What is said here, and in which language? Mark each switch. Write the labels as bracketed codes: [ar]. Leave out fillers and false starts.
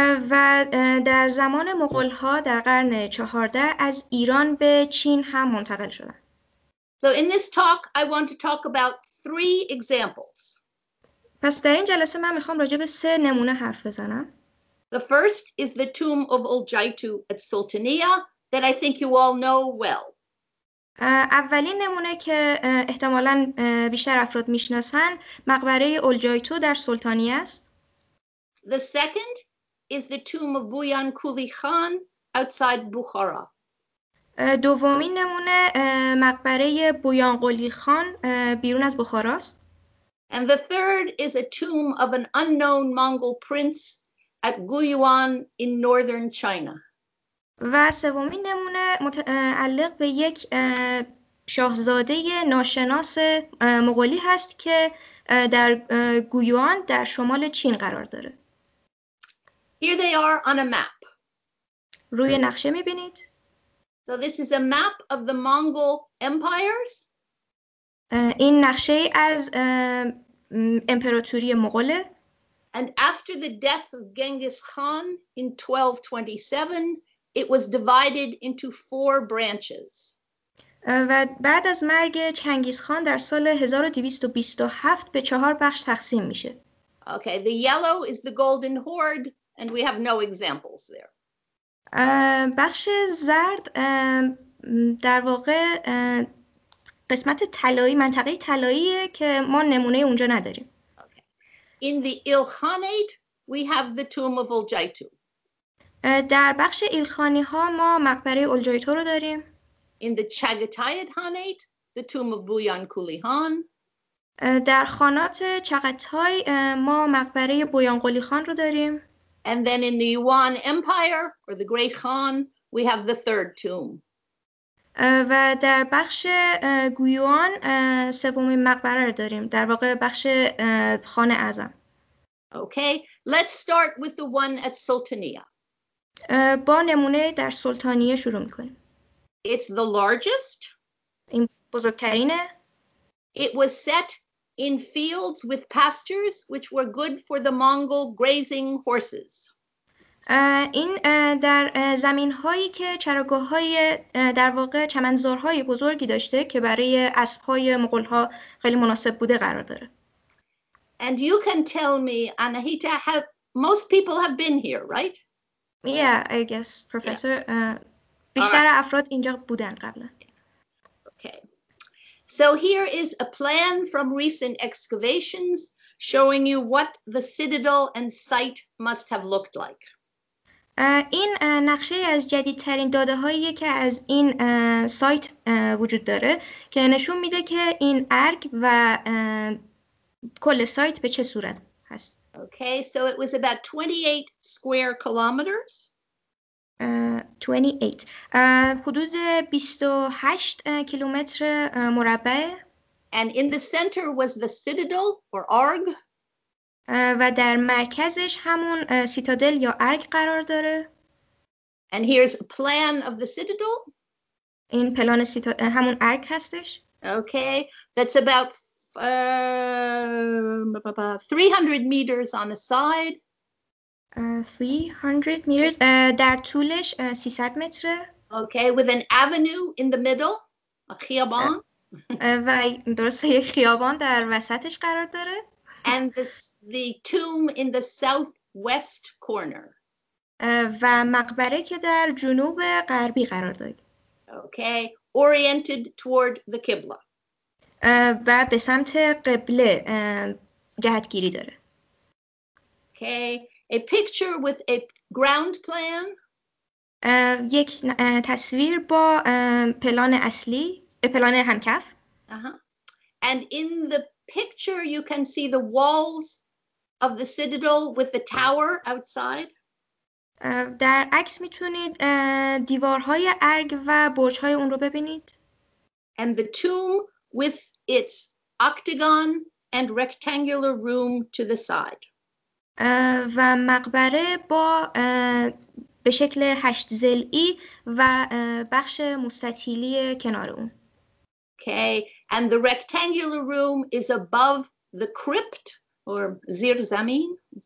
[fa] و در زمان مغول‌ها در قرن 14 از ایران به چین هم منتقل شدند. [en] So in this talk I want to talk about three examples. [fa] پس در این جلسه من می‌خوام راجع به سه نمونه حرف بزنم. [en] The first is the tomb of Uljaitu at Sultaniyah that I think you all know well. [fa] اولین نمونه که احتمالاً بیشتر افراد میشناسن مقبره اولجایتو در سلطانیه است. [en] The second is the tomb of Buyan Kuli Khan outside Bukhara. [fa] دومین نمونه مقبره بویان قلی خان بیرون از بخارا است. [en] And the third is a tomb of an unknown Mongol prince at Guyuan in northern China. [fa] و سومین نمونه متعلق به یک شاهزاده ناشناس مغولی هست که در گویوان در شمال چین قرار داره. [en] Here they are on a map. [fa] روی نقشه میبینید. [en] So this is a map of the Mongol empires. [fa] این نقشه از امپراتوری مغوله. [en] And after the death of Genghis Khan in 1227, it was divided into four branches. [fa] و بعد از مرگ چنگیز خان در سال 1227 به چهار بخش تقسیم میشه. [en] Okay, the yellow is the golden horde and we have no examples there. [fa] بخش زرد در واقع قسمت طلایی منطقه طلاییه که ما نمونه اونجا نداریم. [en] Okay. In the Ilkhanate we have the tomb of Uljaitu. [fa] در بخش ایلخانی ها ما مقبره اولجایتو رو داریم. [en] In the Chagatayid Khanate, the tomb of Buyan Kuli Khan. [fa] در خانات چغتای ما مقبره بویانقلی خان رو داریم. [en] And then in the Yuan Empire or the Great Khan, we have the third tomb. [fa] و در بخش گویوان سومین مقبره رو داریم، در واقع بخش خان اعظم. [en] Okay, let's start with the one at Sultaniya. [fa] با نمونه در سلطانیه شروع می‌کنیم. [en] It's the largest. [fa] این بزرگترینه. [en] It was set in fields with pastures which were good for the Mongol grazing horses. [fa] این در زمین‌هایی که چراگاه‌های در واقع چمنزارهای بزرگی داشته که برای اسب‌های مغول‌ها خیلی مناسب بوده قرار داره. [en] And you can tell me, Anahita, most people have been here, right? Yeah, I guess, Professor. [fa] بیشتر [en] right. [fa] افراد اینجا بودن قبلا. [en] Okay. So here is a plan from recent excavations showing you what the citadel and site must have looked like. [fa] این نقشه از جدیدترین داده هایی که از این سایت وجود داره که نشون میده که این ارگ و کل سایت به چه صورت هست. [en] Okay, so it was about 28 square kilometers. [fa] 28. حدود 28 کیلومتر مربع. [en] And in the center was the citadel or arg. [fa] و در مرکزش همون سیتادل یا ارگ قرار داره. [en] And here's a plan of the citadel. [fa] این پلان همون ارگ هستش. [en] Okay, that's about 300 meters on the side. 300 meters. [fa] در طولش 300 متر. [en] Okay, with an avenue in the middle, a خیابان. [fa] و درسته یک خیابان در وسطش قرار داره. [en] And the tomb in the southwest corner. [fa] و مقبره که در جنوب غربی قرار داره. [en] Okay, oriented toward the Qibla. [fa] و به سمت قبله جهتگیری داره. [en] Okay, a picture with a ground plan. [fa] یک تصویر با پلان اصلی، پلان همکف. [en] And in the picture you can see the walls of the citadel with the tower outside. [fa] در عکس میتونید دیوارهای ارگ و برج‌های اون رو ببینید. [en] And the tomb with its octagon and rectangular room to the side. [fa] و مقبره با به شکل هشت ضلعی و بخش مستطیلی کنار اون. [en] Okay, and the rectangular room is above the crypt or zir zamin.